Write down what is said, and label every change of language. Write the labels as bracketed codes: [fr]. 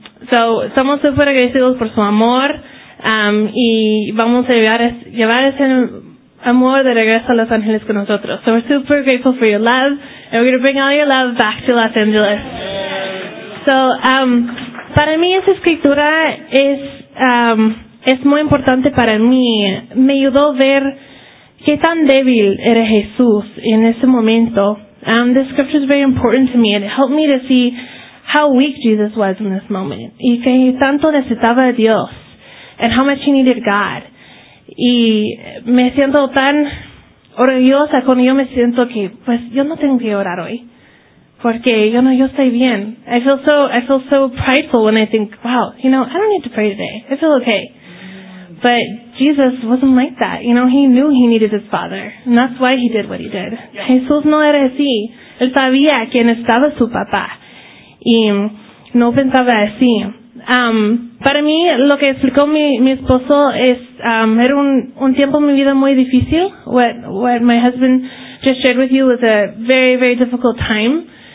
[es] So, estamos súper agradecidos por su amor, y vamos a llevar ese amor de regreso a Los Ángeles con nosotros. [en] So, we're super grateful for your love, and we're going to bring all your love back to Los Angeles. [es] So, para mí esa escritura es muy importante para mí. Me ayudó a ver qué tan débil era Jesús en ese momento. [en] This scripture is very important to me, and it helped me to see how weak Jesus was in this moment. [es] Y que tanto necesitaba a Dios. [en] And how much he needed God. [es] Y me siento tan orgullosa cuando yo me siento que, pues yo no tengo que orar hoy. Porque yo estoy bien. [en] I feel so prideful when I think, wow, you know, I don't need to pray today. I feel okay. But Jesus wasn't like that. You know, he knew he needed his Father. And that's why he did what he did. [es] Yeah. Jesús no era así. Él sabía que necesitaba su papá. Y no pensaba así. Para mí, lo que explicó mi esposo es, era un tiempo en mi vida muy difícil. [en] What my husband just shared with you was a very, very difficult time.